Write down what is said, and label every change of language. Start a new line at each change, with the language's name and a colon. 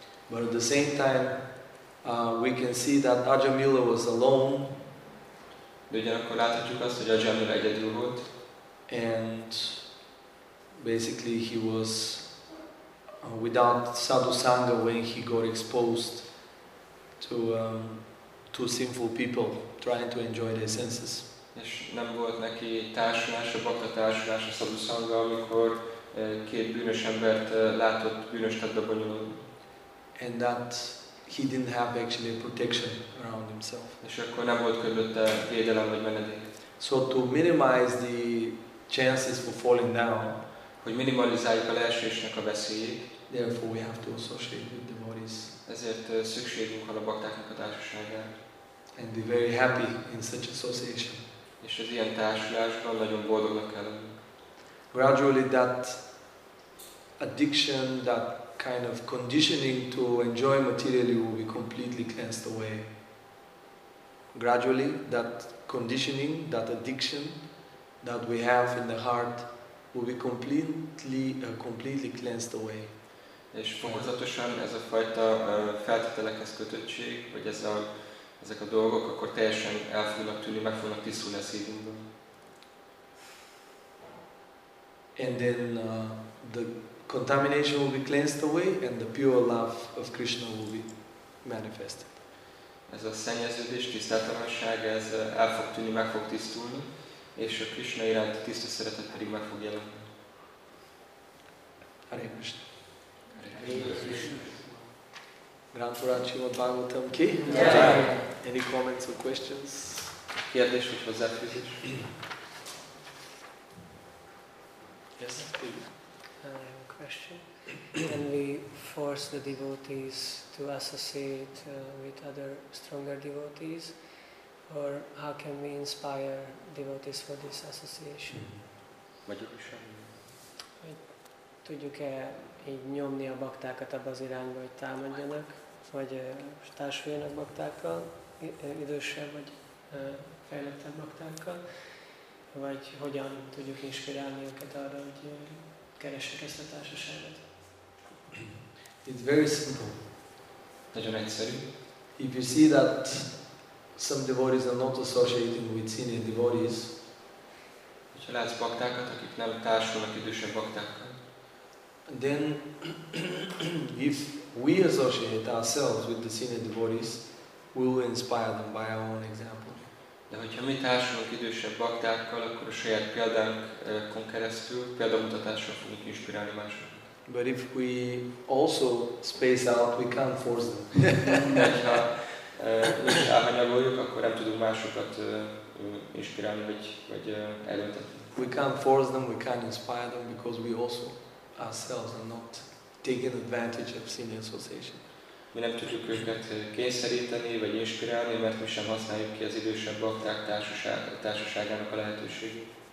English: But at the same time, we can see that Ajamila was alone.
Hungarian: De ugyanakkor láthatjuk azt, hogy Ajamila egyedül volt.
English: And basically he was without sadhu sangha when he got exposed to sinful people trying to enjoy their senses.
Hungarian: És nem volt neki társulás, a bakta társulás, a sadhu sangha, amikor két bűnös embert látott bűnös tettbe bonyolódni.
English: And that he didn't have actually a protection around himself.
Hungarian: És akkor nem volt körülötte védelem vagy menedék.
English: So to minimize the chances for falling down,
Hungarian: hogy minimalizáljuk a leesésnek a veszélyét,
English: therefore we have to associate with the devotees.
Hungarian: Ezért szükségünk van a baktáknak a társaságára.
English: And be very happy in such association.
Hungarian: És az ilyen társulásban nagyon boldognak kell lenni.
English: Gradually that addiction, that kind of conditioning to enjoy materially will be completely cleansed away. Gradually, that conditioning, that addiction that we have in the heart will be completely cleansed away.
Hungarian: És fokozatosan ez a fajta feltételekhez kötöttség, vagy ezek a dolgok akkor teljesen el fognak tűnni, meg fognak tisztulni a szívünkből.
English: And then the contamination will be cleansed away and the pure love of Krishna will be manifested.
Hungarian: Ez a szennyeződés, tisztátalanság, ez el fog tűnni, meg fog tisztulni, és a Krishna iránti tiszta szeretet pedig meg fog jelenni. Hare Krishna. Hare Krishna. Rámpurát Srimad Bhagavatam ki?
English: Yeah. Any comments or questions?
Hungarian: Kérdés, hogy hozzáfűzés?
English: Yes, please. Question. Can we force the devotees to associate with other stronger devotees? Or how can we inspire devotees for this association?
Hungarian: Magyarul tudjuk-e így nyomni a baktákat abba az irányba, hogy támadjanak? Vagy társuljanak baktákkal, idősebb vagy fejlettebb baktákkal? Vagy hogyan tudjuk inspirálni őket arra, hogy keressük ezt a társaságot?
English: It's very simple.
Hungarian: Nagyon egyszerű.
English: If you see that some devotees are not associating with senior devotees,
Hungarian: hogyha látsz baktákat, akik nem társulnak idősebb baktákkal,
English: then if we associate ourselves with the senior devotees, we will inspire them by our own example.
Hungarian: De hogyha mi társulunk idősebb baktákkal, akkor a saját példánkon keresztül, példamutatással fogunk inspirálni másokat.
English: But if we also space out, we can't force them.
Hungarian: Ha elhanyagoljuk, akkor nem tudunk másokat inspirálni, vagy előtetni.
English: We can't force them, we can't inspire them, because we also ourselves are not taking advantage of senior association.
Hungarian: Mi nem tudjuk őket kényszeríteni, vagy inspirálni, mert mi sem használjuk ki az idősebb bakták társaságának a lehetőségét.